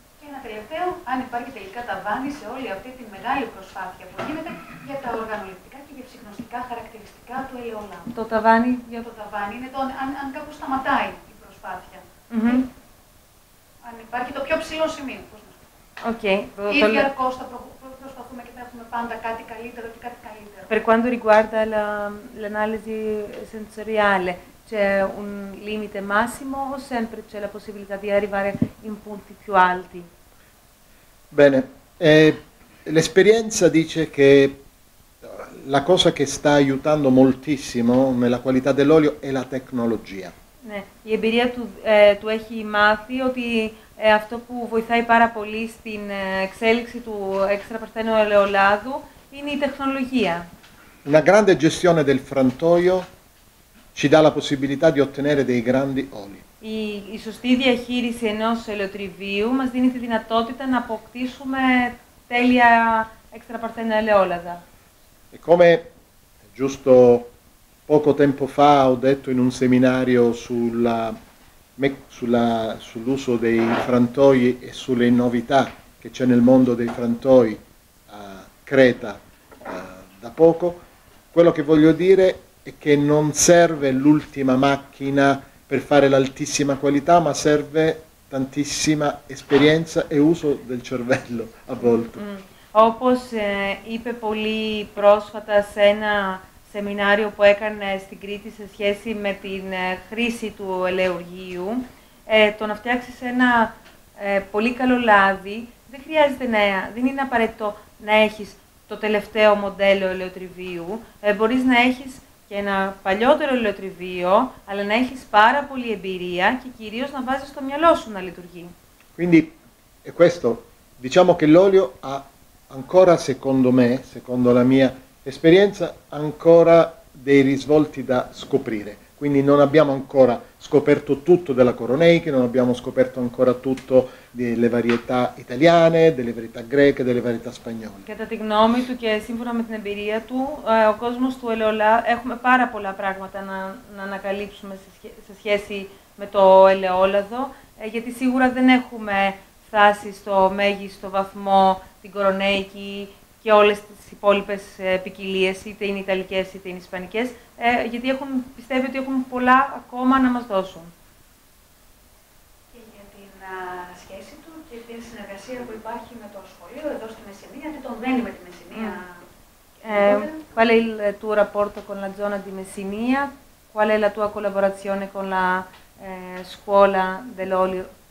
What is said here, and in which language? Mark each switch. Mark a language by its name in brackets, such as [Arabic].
[Greek] Ένα τελευταίο, αν υπάρχει τελικά ταβάνι σε όλη αυτή τη μεγάλη προσπάθεια που γίνεται για τα οργανωληπτικά και για ψυχνοστικά χαρακτηριστικά του ελαιολάδου. Το ταβάνι, για το ταβάνι, είναι το αν κάπου σταματάει η προσπάθεια. Mm-hmm. Αν υπάρχει το πιο ψηλό σημείο, πώς να okay, το πω. Ή διαρκώς θα προσπαθούμε και θα έχουμε πάντα κάτι καλύτερο και κάτι καλύτερο. [Italian] Per quanto riguarda l'analisi sensoriale, c'è un limite massimo o sempre c'è la possibilità di arrivare in punti più alti? Bene, l'esperienza dice che la cosa che sta aiutando moltissimo nella qualità dell'olio è la tecnologia. [Greek] Ναι, η εμπειρία του έχει μάθει ότι αυτό που βοηθάει πάρα πολύ στην εξέλιξη του έξτρα παρθένου ελαιολάδου είναι η τεχνολογία. [Italian] Una grande gestione del frantoio ci dà la possibilità di ottenere dei grandi oli. [Greek] Η σωστή διαχείριση ενός ελαιοτριβίου μας δίνει τη δυνατότητα να αποκτήσουμε τέλεια έξτρα παρθένα ελαιόλαδα. [Italian] E come giusto poco tempo fa ho detto in un seminario sull'uso dei frantoi e sulle novità che c'è nel mondo dei frantoi a Creta da poco, quello che voglio dire è che non serve l'ultima macchina per fare l'altissima qualità, ma serve tantissima esperienza e uso del cervello a volte. [Greek] Όπως είπε πολύ πρόσφατα σε ένα σεμινάριο που έκανε στην Κρήτη σε σχέση με την χρήση του ελαιουργίου, το να φτιάξεις ένα πολύ καλό λάδι δεν χρειάζεται νέα, δεν είναι απαραίτητο να έχεις το τελευταίο μοντέλο ελαιοτριβίου, μπορείς να έχεις και ένα παλιότερο ελαιοτριβείο, αλλά να έχεις πάρα πολύ εμπειρία και κυρίως να βάζεις το μυαλό σου να λειτουργεί. [Italian] Quindi, è questo. Diciamo che l'olio ha ancora, secondo me, secondo la mia esperienza, ancora dei risvolti da scoprire. Quindi non abbiamo ancora scoperto tutto della Coroneiche, non abbiamo scoperto ancora tutto delle varietà italiane, delle varietà greche, delle varietà spagnole. [Greek] Κατά τη γνώμη του και σύμφωνα με την εμπειρία του, ο κόσμος του ελαιολάδου, έχουμε πάρα πολλά πράγματα να ανακαλύψουμε σε σχέση με το ελαιόλαδο, γιατί σίγουρα δεν έχουμε φτάσει στο μέγιστο βαθμό την Κορονέικη, και όλες τις υπόλοιπες ποικιλίες, είτε είναι ιταλικές είτε είναι ισπανικές, γιατί έχουν, πιστεύει ότι έχουν πολλά ακόμα να μας δώσουν. Και για την σχέση του και την συνεργασία που υπάρχει με το σχολείο εδώ στη Μεσσηνία, γιατί τον δένει με τη Μεσσηνία. [Italian] Qual è il tuo rapporto con la zona di Messinia? Qual è la tua collaborazione con la scuola dell'olio?